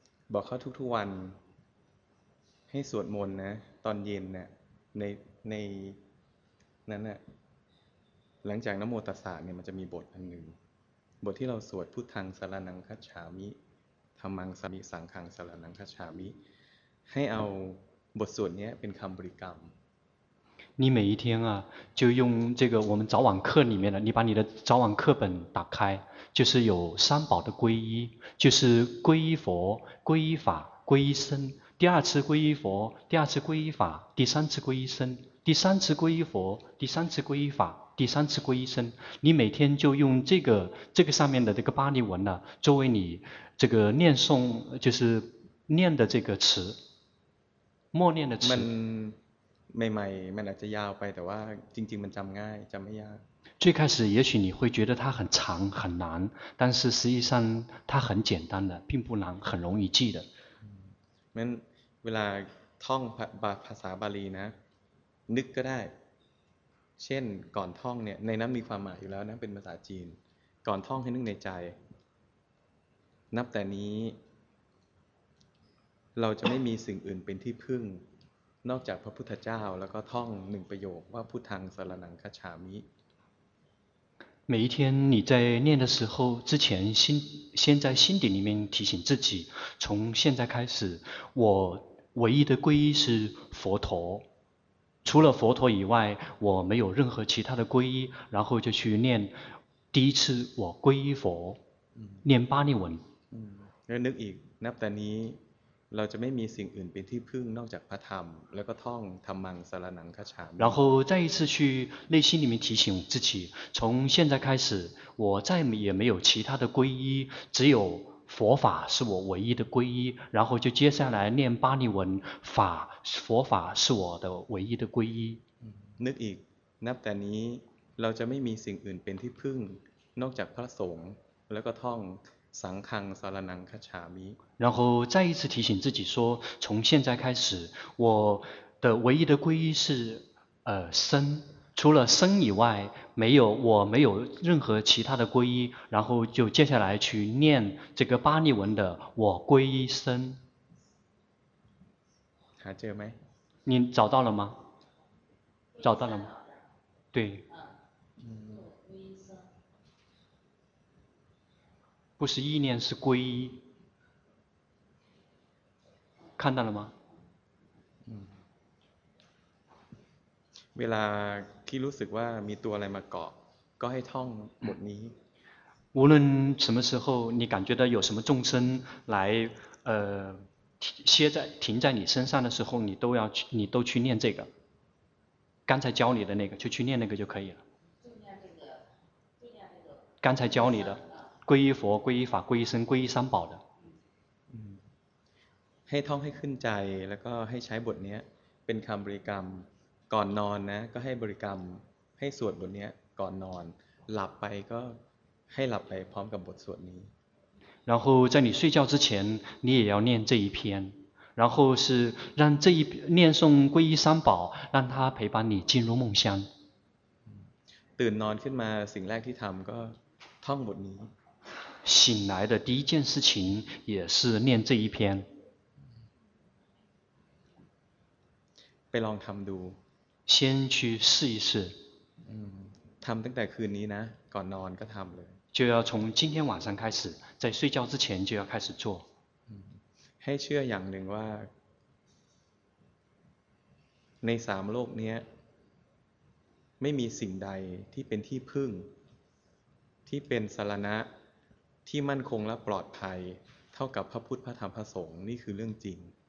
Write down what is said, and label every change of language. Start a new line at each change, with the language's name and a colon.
Thai: บอกเขาทุกๆวันให้สวดมนต์นะตอนเย็นเนี่ยในนั้นน่ะหลังจากนโมตัสสะเนี่ยมันจะมีบทอันหนึ่งบทที่เราสวด
Pali: พุทธังสรณังคัจฉามิธัมมังสมิสังฆังสรณังคัจฉามิ
Thai: ให้เอาบทสวดเนี้ยเป็นคำบริกรรม
Chinese: 你每一天啊就用这个我们早晚课里面的你把你的早晚课本打开就是有三宝的皈依就是皈依佛皈依法皈依僧第二次皈依佛第二次皈依法第三次皈依僧第三次皈依佛第三次皈依法第三次皈依僧你每天就用这个上面的这个巴利文呢作为你这个念诵就是念的这个词默念的词
Thai: มันใหม่ๆ มันอาจจะยาวไปแต่ว่าจริงๆมันจำง่ายจำไม่ยาก
Chinese: 最开始也许你会觉得它很长很难但是实际上它很简单的并不难很容易记的
Thai: มันเวลาท่องภาษาบาลีนะนึกก็ได้เช่นก่อนท่องเนี่ยในนั้นมีความหมายอยู่แล้วนะเป็นภาษาจีนก่อนท่องให้นึกในใจนับแต่นี้เราจะไม่มีสิ่งอื่นเป็นที่พึ่งนอกจากพระพุทธเจ้าแล้วก็ท่องหนึ่งประโยคว่า
Pali: พุทธังสรณังคัจฉามิ
Chinese: 每一天你在念的时候之前先在心底里面提醒自己，从现在开始我唯一的皈依是佛陀，除了佛陀以外我没有任何其他的皈依，然后就去念第一次我皈依佛，念巴利文。
Thai: นึกอีกนับแต่นี้เราจะไม่มีสิ่งอื่นเป็นที่พึ่งนอกจากพระธรรมแล้วก็ท่อง
Pali: ธรรมังสรณังคัจฉามิ
Chinese: 然后再一次去内心里面提醒自己，从现在开始我再也没有其他的皈依，只有佛法是我唯一的皈依，然后就接下来念巴利文，法佛法是我的唯一的皈依。
Thai: นึกอีกนับแต่นี้เราจะไม่มีสิ่งอื่นเป็นที่พึ่งนอกจากพระสงฆ์แล้วก็ท่อง
Pali: สังฆังสรณังคัจฉามิ
Chinese: 然后再一次提醒自己说，从现在开始我的唯一的皈依是僧，除了僧以外没有，我没有任何其他的皈依，然后就接下来去念这个巴利文的我皈依僧。还记得没？你找到了吗？找到了吗？对，不是意念，是皈依。看到了吗？
Thai: เวลาที่รู้สึกว่ามีตัวอะไรมาเกาะก็ให้ท่องบทนี้
Chinese: 无论什么时候你感觉到有什么众生来歇在停在你身上的时候，你都要去，你都去念这个刚才教你的那个，就去念那个就可以了。就念这个，就念这个刚才教你的皈依佛、皈依法、皈依僧、皈依三宝的。
Thai: ให้ท่องให้ขึ้นใจแล้วก็ให้ใช้บทนี้เป็นคำบริกรรมก่อนนอนนะก็ให้บริกรรมให้สวดบทนี้ก่อนนอนหลับไปก็ให้หลับไปพร้อมกับบทสวดนี้
Chinese: 然后在你睡觉之前你也要念这一篇，然后是让这一念诵皈依三宝，让它陪伴你进入梦乡。
Thai: ตื่นนอนขึ้นมาสิ่งแรกที่ทำก็ท่องบทนี้
Chinese: 醒来的第一件事情也是念这一篇。
Thai: ไปลองทำดู
Chinese: 先去试一试。
Thai: ทำตั้งแต่คืนนี้นะก่อนนอนก็ทำเลย
Chinese: 就要从今天晚上开始，在睡觉之前就要开始做。
Thai: ให้เชื่ออย่างหนึ่งว่าในสามโลกนี้ไม่มีสิ่งใดที่เป็นที่พึ่งที่เป็นสรณะที่มั่นคงและปลอดภัยเท่ากับพระพุทธพระธรรมพระสงฆ์นี่คือเรื่องจริง